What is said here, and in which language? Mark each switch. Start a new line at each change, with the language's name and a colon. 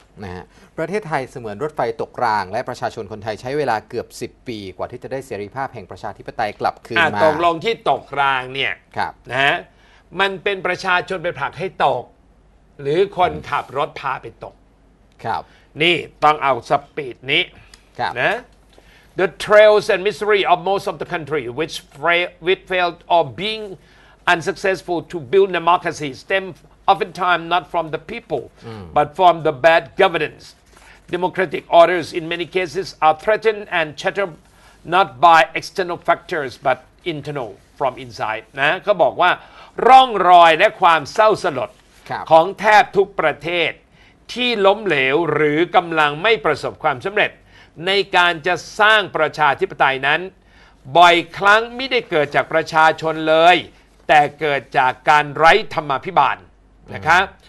Thai: นะฮะประเทศไทยเสมือนรถไฟตกรางและประชาชนคนไทยใช้เวลาเกือบ10ปีกว่าที่จะได้เสรีภาพแห่งประชาธิปไตยกลับคืนมา ตกลงที่ตกรางเนี่ย ครับ นะมันเป็นประชาชนไปผลักให้ตกหรือคนขับรถพาไปตก ครับ นี่ต้องเอาสปีดนี้ครับ
English: นะ The trails and misery of most of the country which failed or being unsuccessful to build democracy stemoftentimes not from the people but from the bad governance. Democratic orders in many cases are threatened and shattered not by external factors but internal from inside.
Thai: นะเขาบอกว่าร่องรอยและความเศร้าสลดของแทบทุกประเทศที่ล้มเหลวหรือกำลังไม่ประสบความสำเร็จในการจะสร้างประชาธิปไตยนั้นบ่อยครั้งไม่ได้เกิดจากประชาชนเลยแต่เกิดจากการไร้ธรรมาภิบาลนะครับ